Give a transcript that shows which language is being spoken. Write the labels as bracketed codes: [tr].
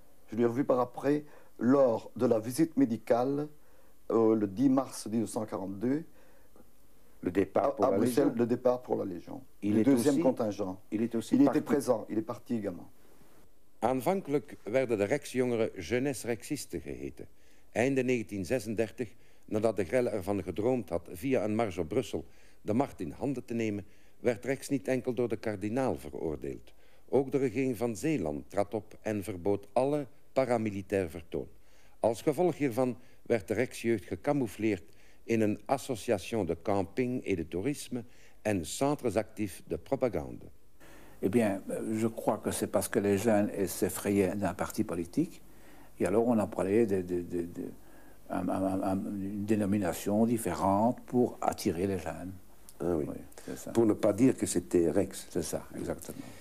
[fr] Je l'ai revu par après lors de la visite médicale le 10 mars 1942. Le départ pour à Bruxelles, le départ pour la Légion. Il le est deuxième aussi, contingent. Il est aussi il était présent, il est parti également. [nl] Aanvankelijk werden de Rex-jongeren Jeunesse Rexiste geheten. Einde 1936, nadat de Grelle ervan gedroomd had via een mars op Brussel de macht in handen te nemen, werd Rex niet enkel door de kardinaal veroordeeld. Ook de regering van Zeeland trad op en verbood alle paramilitair vertoon. Als gevolg hiervan werd de Rex-jeugd gecamoufleerd in een [fr] association de camping et de tourisme en centres actifs de propagande. Eh bien, je crois que c'est parce que les jeunes s'effrayaient d'un parti politique. Et alors, on a parlé d'une dénomination différente pour attirer les jeunes. Ah oui. Oui, c'est ça. Pour ne pas dire que c'était Rex. C'est ça, exactement.